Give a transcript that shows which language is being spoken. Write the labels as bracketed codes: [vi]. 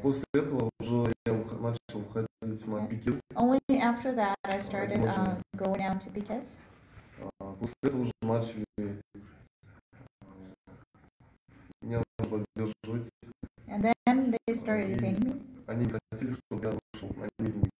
[ru] После этого уже я начал ходить на пикет. [en] Only after that I started going out to pickets. [ru] После этого уже начали меня уже поддерживать. [en] And then they started detaining me. [ru] Они не хотели, чтобы я вышел на митинги.